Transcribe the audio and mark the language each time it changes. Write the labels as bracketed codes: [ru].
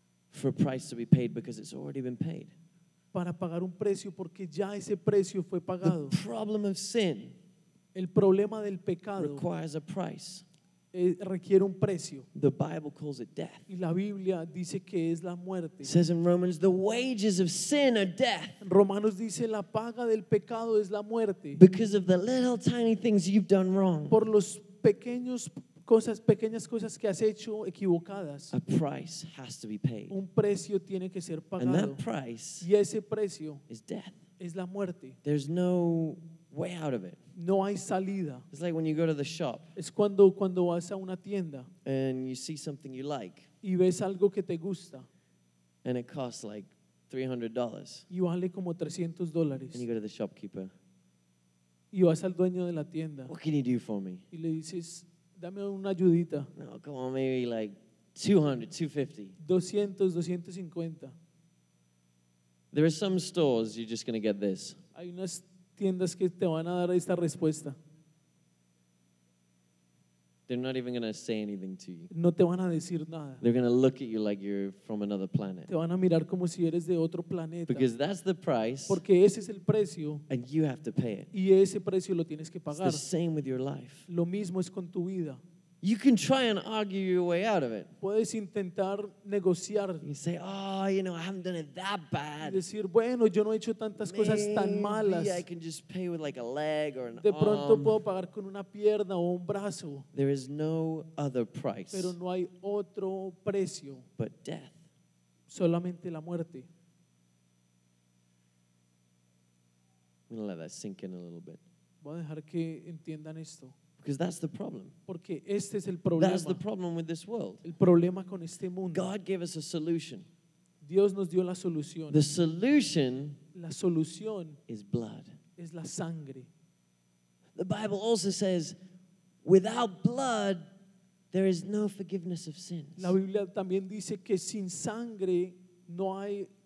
[en] For a price to be paid because it's already been paid. [es] Para pagar un precio porque ya ese precio fue pagado. [en] The problem of sin. [es] El problema del pecado. [en] Requires a price. [es] Requiere un precio. [en] The Bible calls it death. [es] Y la Biblia dice que es la muerte. [en] It says in Romans, the wages of sin are death. [es] Romanos dice la paga del pecado es la muerte. [en] Because of the little tiny things you've done wrong. [es] Por los pequeñas cosas que has hecho equivocadas. [en] A price has to be paid. [es] Un precio tiene que ser pagado. [en] And that price. [es] Y ese precio [en] is death. [es] Es la muerte. [en] There's no way out of it. [es] No hay salida. [en] It's like when you go to the shop. [es] Es cuando vas a una tienda. [en] And you see something you like. [es] Y ves algo que te gusta. [en] And it costs like $300. [es] Y vale como $300. [en] And you go to the shopkeeper. [es] Y vas al dueño de la tienda. [en] What can you do for me? [es] Y le dices, dame una ayudita. [en] No, come on, maybe like $200, $250. [es] 200, 250. [en] There are some stores you're just going to get this. [es] Hay unas tiendas que te van a dar esta respuesta. [en] They're not even going to say anything to you. [es] No te van a decir nada. [en] They're going to look at you like you're from another planet. [es] Te van a mirar como si eres de otro planeta. [en] Because that's the price. [es] Porque ese es el precio. [en] And you have to pay it. [es] Y ese precio lo tienes que pagar. [en] It's the same with your life. [es] Lo mismo es con tu vida. [en] You can try and argue your way out of it. [es] Puedes intentar negociar. [en] You say, oh, you know, I haven't done it that bad. [es] Decir, bueno, yo no he hecho tantas cosas tan malas. [en] Maybe I can just pay with like a leg or an arm. [es] De pronto puedo pagar con una pierna o un brazo. [en] There is no other price. [es] Pero no hay otro precio. [en] But death. [es] Solamente la muerte. [en] I'm going to let that sink in a little bit. [es] Voy a dejar que entiendan esto. [en] Because that's the problem. [es] Porque este es el problema. [en] That's the problem with this world. [es] El problema con este mundo. [en] God gave us a solution. [es] Dios nos dio la solución. [en] The solution, [es] la solución [en] is blood. [es] Es la sangre. [en] The Bible also says, without blood, there is no forgiveness of sins. [es] La Biblia también dice que sin sangre no hay